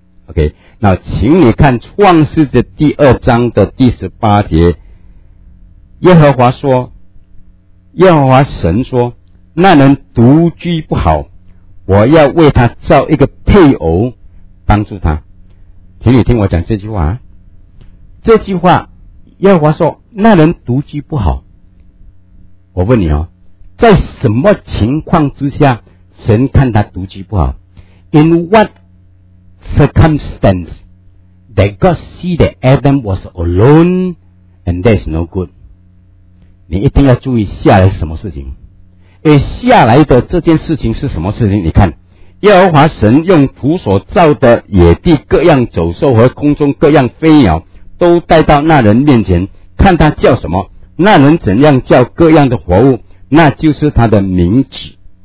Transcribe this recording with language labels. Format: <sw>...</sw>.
<zh>OK， 那请你看创世纪第二章的第18节，耶和华神说，那人独居不好，我要为他造一个配偶帮助他。请你听我讲这句话，这句话耶和华说那人独居不好。我问你哦，在什么情况之下神看他独居不好？</zh> <en>In what circumstance that God see that Adam was alone and that's no good？</en> <zh>你一定要注意下来是什么事情。而下来的这件事情是什么事情？你看，耶和华神用土所造的野地各样走兽和空中各样飞鸟都带到那人面前，看他叫什么，那人怎样叫各样的活物，那就是他的名字。</zh>